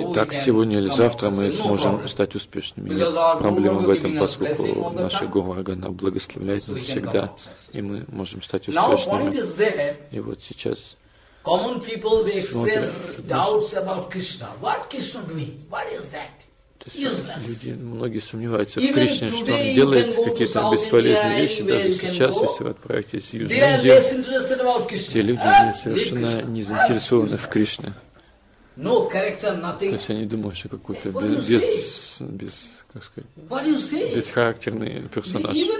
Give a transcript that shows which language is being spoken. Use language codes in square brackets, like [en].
[ru] и вот так сегодня или завтра мы сможем стать успешными. Нет проблем в этом, поскольку наша Гурварга нам благословляет нас всегда, и мы можем стать успешными. И вот сейчас [en] common people, they express doubts about Krishna. What Krishna doing? What is that? [ru] То есть люди, многие сомневаются в Кришне, что он делает какие-то бесполезные вещи, даже сейчас, если вы отправитесь в Южную Индию, те люди совершенно не заинтересованы в Кришне. [en] No character, nothing. [ru] То есть они думают, что какой-то бесхарактерный персонаж.